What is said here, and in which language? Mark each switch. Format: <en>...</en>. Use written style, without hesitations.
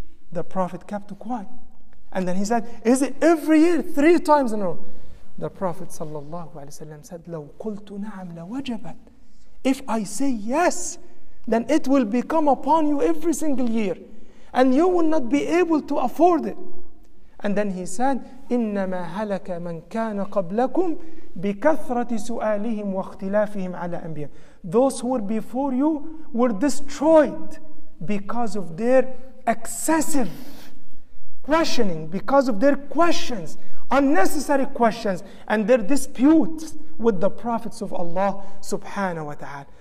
<en>The Prophet kept quiet. And then he said, is it every year? Three times in a row. The Prophet sallallahu alaihi wasallam said,</en> <ar>لو قلت نعم لوجبت.</ar> <en>If I say yes, then it will become upon you every single year, and you will not be able to afford it. And then he said,</en> <ar>إنما هلك من كان قبلكم بكثرة سؤالهم واختلافهم على أنبياء.</ar> <en>Those who were before you were destroyed because of their excessive questioning, because of their questions, unnecessary questions, and their disputes with the prophets of Allah subhanahu wa ta'ala.</en>